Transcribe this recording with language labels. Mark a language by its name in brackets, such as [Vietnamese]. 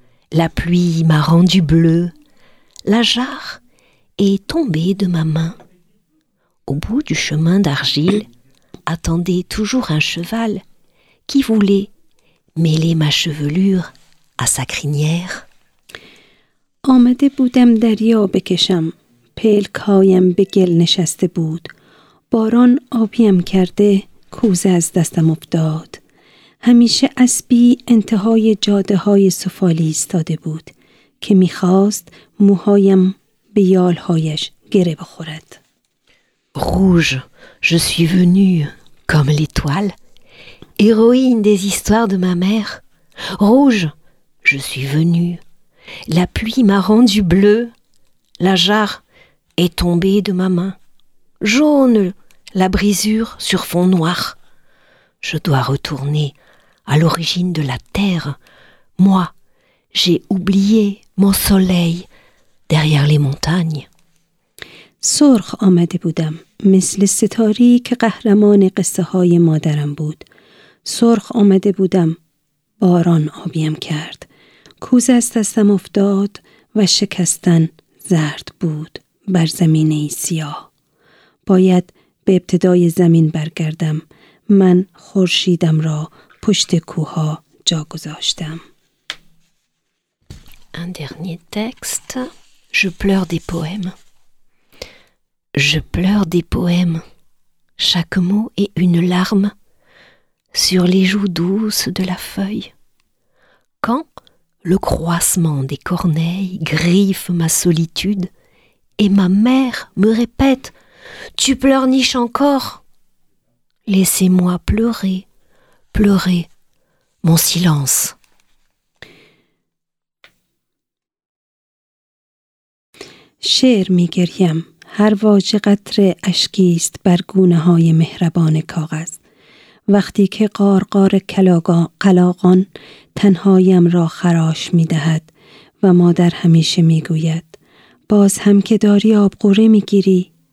[French] La pluie m'a rendu bleu. La jarre est tombée de ma main. Au bout du chemin d'argile attendez toujours un cheval qui voulait mêler ma chevelure à sa crinière. [Persian] آمده بودم دریا بکشم، پلکایم به گل نشسته بود، باران آبیم کرده، کوزه از دستم افتاد. همیشه اسبی انتهای جاده های سفالی استاده بود که میخواست موهایم به یالهایش گره بخورد. [French] روژ، je suis venu comme l'étoile, héroïne des histoires de ma mère. Rouge, je suis venue. La pluie m'a rendu bleu. La jarre est tombée de ma main. Jaune, la brisure sur fond noir. Je dois retourner à l'origine de la terre. Moi, j'ai oublié mon soleil derrière les montagnes. [Persian] سرخ آمده بودم، مثل ستاری که قهرمان قصه های مادرم بود. سرخ آمده بودم، باران آبیم کرد. کوز از دستم افتاد و شکستن زرد بود بر زمینه سیاه. باید به ابتدای زمین برگردم. من خورشیدم را پشت کوها جا گذاشتم. [French] Un dernier texte. Je pleure des poèmes. Je pleure des poèmes, chaque mot est une larme sur les joues douces de la feuille. Quand le croissement des corneilles griffe ma solitude et ma mère me répète « Tu pleurniches encore ?» Laissez-moi pleurer, pleurer mon silence. [Persian] شعر می گریم، هر واژه قطره اشکی است بر گونه های مهربان کاغذ. وقتی که قارقار قلاغان تنهایم را خراش می دهد و مادر همیشه می گوید باز هم که داری آبقوره می گیری.